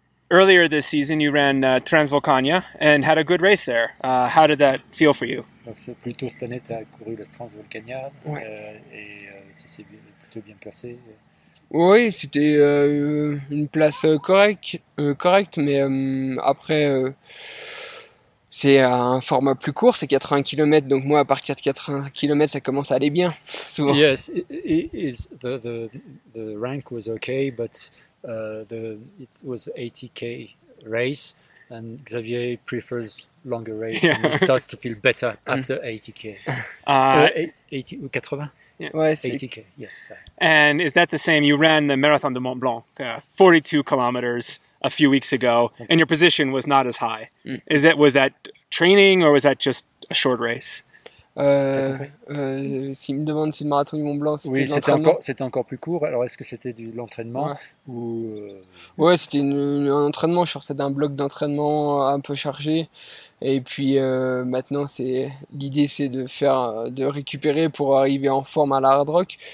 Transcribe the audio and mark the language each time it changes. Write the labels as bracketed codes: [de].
[en] Earlier this season, you ran Transvolcania and had a good race there. How did that feel for you? [fr] Donc c'est plutôt cette année, tu as couru la Transvolcania et ça s'est plutôt bien passé. Oui, c'était une place correcte, mais après. C'est un format plus court, c'est 80 km, donc moi, à partir de 80 km, ça commence à aller bien, souvent. [en] Yes, the rank was okay, but it was 80K race, and Xavier prefers longer race, yeah. And he starts to feel better after 80K. 80? Yeah. Ouais, 80K, yes. And is that the same? You ran the Marathon de Mont Blanc, 42 kilometers. A few weeks ago, and your position was not as high. Mm. Was that training or was that just a short race? [fr] Si me demande si le marathon du Mont Blanc c'était de l'entraînement. Oui, c'était encore plus court. Alors est-ce que c'était de l'entraînement ou? Ouais, c'était un entraînement. Je sortais d'un bloc d'entraînement un peu chargé, et puis maintenant l'idée c'est de récupérer pour arriver en forme à la Hard Rock.